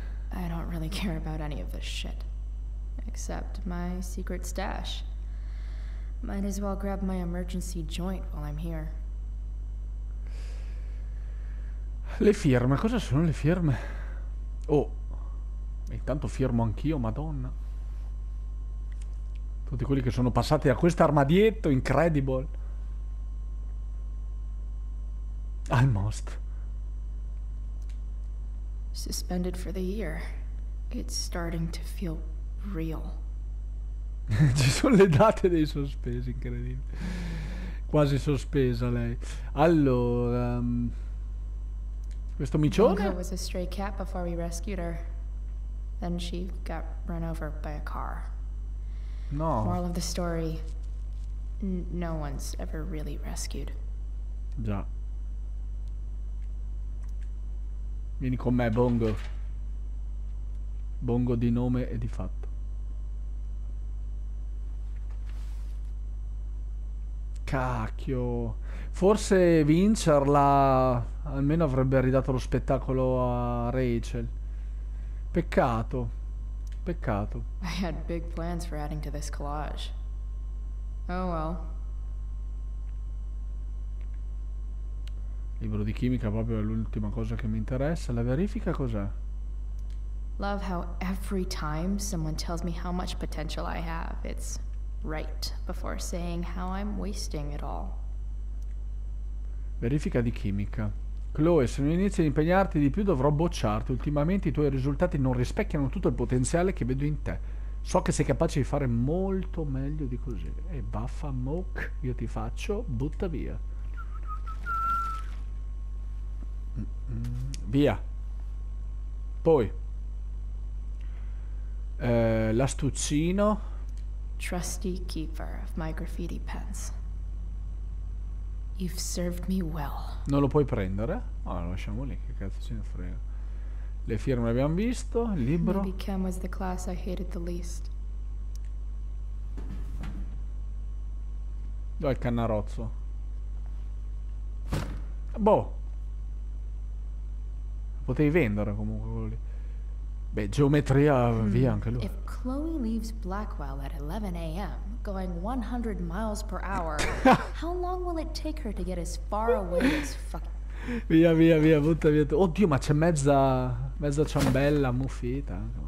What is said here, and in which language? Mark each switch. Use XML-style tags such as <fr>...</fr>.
<en>I don't really care about any of this shit. Except my secret stash. Might as well grab my emergency joint while I'm here.</en> <it>Le firme, cosa sono le firme? Oh, intanto firmo anch'io, Madonna. Tutti quelli che sono passati da questo armadietto, incredible.</it> <en>Almost. Suspended for the year. It's starting to feel real.</en> <it>Ci sono le date dei sospesi, incredibile. Quasi sospesa lei.</it> <en>Allora, questo micione was a stray cat before we rescued her. Then she got run over by a car. No. Moral of the story, no one's ever really rescued.</en> <it>Già. Vieni con me, Bongo. Bongo di nome e di fatto. Cacchio. Forse vincerla almeno avrebbe ridato lo spettacolo a Rachel. Peccato. Peccato.</it> <en>I had big plans for adding to this collage. Oh well.</en> <it>Libro di chimica proprio è l'ultima cosa che mi interessa. La verifica cos'è?</it> <en>Love how every time someone tells me how much potential I have, it's right before saying how I'm wasting it all.</en> <it>Verifica di chimica. Chloe, se non inizi ad impegnarti di più dovrò bocciarti. Ultimamente i tuoi risultati non rispecchiano tutto il potenziale che vedo in te. So che sei capace di fare molto meglio di così. E baffa Mook, io ti faccio butta via. Via. Poi l'astuccino.</it> <en>Trusty keeper of my graffiti pens. You've served me well.</en> <it>Non lo puoi prendere? Oh, lo lasciamo lì, che cazzo ce ne frega. Le firme le abbiamo visto, il libro.</it> <en>Maybe Cam was the class I hated the least.</en> <it>Dov'è il cannarozzo? Boh. Potevi vendere comunque quello lì. Beh, geometria via anche lui.</it> <en>If Chloe leaves Blackwell at 11 a.m. going 100 miles per hour, how long will it take her to get as far away as fuck?</en> <it>Via, via, via, butta via. Oddio, ma c'è mezza ciambella muffita.</it>